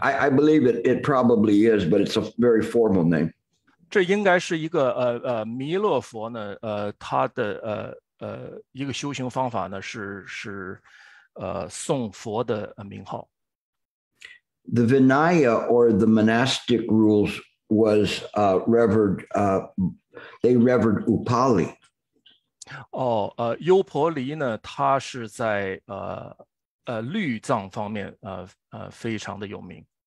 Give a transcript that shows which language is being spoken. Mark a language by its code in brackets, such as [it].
[en] I believe it probably is, but it's a very formal name. [zh] 这应该是一个弥勒佛呢，他的一个修行方法呢，是诵佛的名号。 [en] The Vinaya or the monastic rules was revered. They revered Upali. [zh] 优婆离呢，他是在律藏方面非常的有名。